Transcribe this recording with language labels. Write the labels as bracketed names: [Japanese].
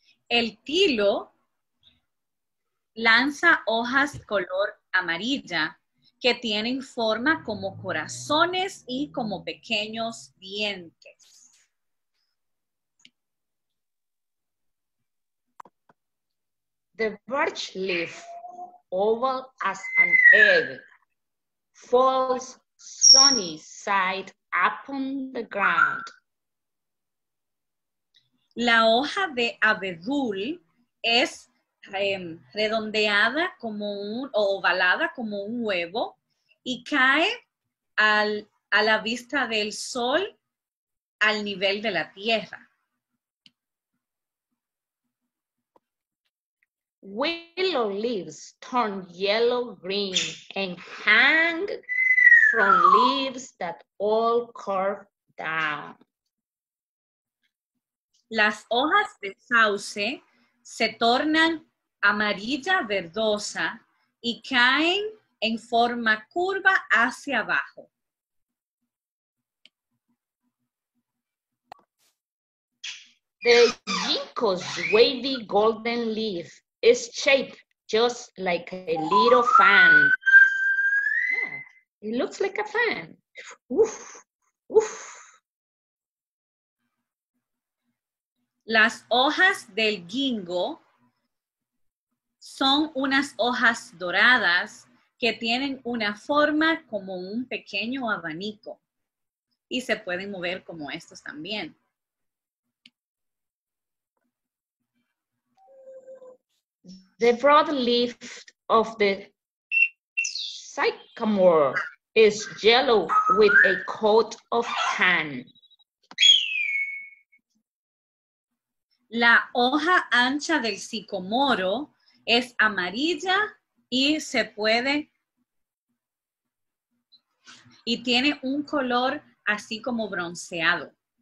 [Spanish] El tilo lanza hojas color amarilla que tienen forma como corazones y como pequeños dientes. [English] The birch leaf, oval as an egg, falls sunny side upon the ground. [Spanish] La hoja de abedul es redondeada como un, o ovalada como un huevo y cae al, a la vista del sol al nivel de la tierra. [English] Willow leaves turn yellow green and hang from leaves that all curve down. [Spanish] Las hojas de sauce se tornan amarilla verdosa y caen en forma curva hacia abajo. [English] The ginkgo's wavy golden leaf is shaped just like a little fan. Yeah, it looks like a fan. Uf, uf. [Spanish] Las hojas del gingo son unas hojas doradas que tienen una forma como un pequeño abanico y se pueden mover como estos también. [English] The broad leaf of the sycamore is yellow with a coat of tan. [Spanish] La hoja ancha del sicomoro es amarilla y se puede y tiene un color así como bronceado.